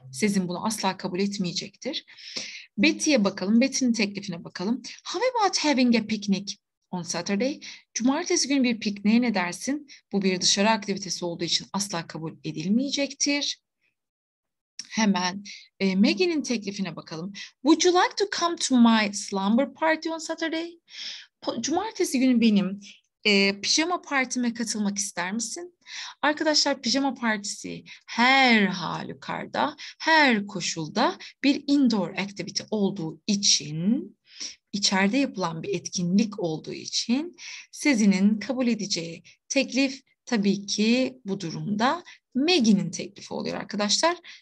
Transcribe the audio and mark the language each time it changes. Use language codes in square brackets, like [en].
[tr] Sizin bunu asla kabul etmeyecektir. Betty'ye bakalım. Betty'nin teklifine bakalım. [en] How about having a picnic on Saturday? [tr] Cumartesi günü bir pikniğe ne dersin? Bu bir dışarı aktivitesi olduğu için asla kabul edilmeyecektir. Hemen Maggie'nin teklifine bakalım. [en] Would you like to come to my slumber party on Saturday? [tr] Cumartesi günü benim pijama partime katılmak ister misin? Arkadaşlar pijama partisi her halükarda, her koşulda bir indoor activity olduğu için, içeride yapılan bir etkinlik olduğu için Sezi'nin kabul edeceği teklif tabii ki bu durumda Maggie'nin teklifi oluyor arkadaşlar.